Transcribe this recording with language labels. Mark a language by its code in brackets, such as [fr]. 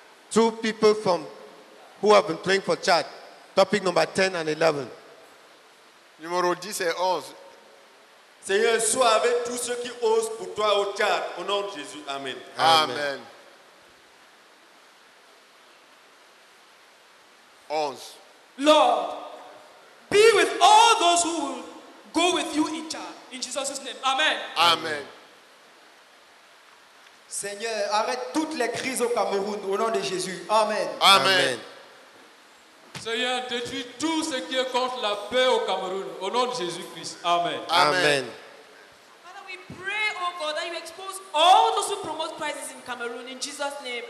[en] Two people from who have been praying for Chad. Topic number 10 and 11. [fr] Numéro 10 et 11. Seigneur, sois avec tous ceux qui osent pour toi au Chad. Au nom de Jésus. Amen. Amen. 11. [en] Lord, be with all those who will go with you in Chad. In Jesus' name. Amen. Amen. [fr] Seigneur, arrête toutes les crises au Cameroun au nom de Jésus. Amen. Amen. Amen. Seigneur, détruis tout ce qui est contre la paix au Cameroun au nom de Jésus-Christ. Amen. Amen. Amen. [en] Father, we pray, O God, that you expose all those who promote crisis in Cameroon in Jesus' name.